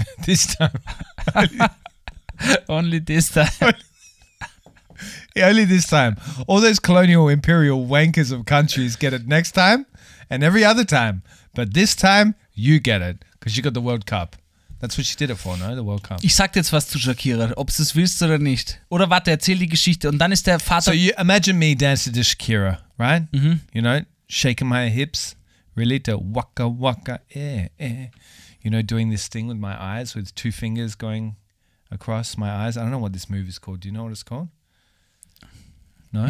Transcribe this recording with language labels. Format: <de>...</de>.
<en>This Time. Only this time. Only this time. All those colonial imperial wankers of countries get it next time and every other time. But this time, you get it because you got the World Cup. That's what she did it for, no? The World Cup.</en> <de>Ich sag jetzt was zu Shakira, ob du es willst oder nicht. Oder warte, erzähl die Geschichte und dann ist der Vater...</de> <en>So you imagine me dancing to Shakira, right? Mm-hmm. You know, shaking my hips, really to waka waka, eh, eh. You know, doing this thing with my eyes with two fingers going... Across my eyes. I don't know what this move is called. Do you know what it's called? No?</en>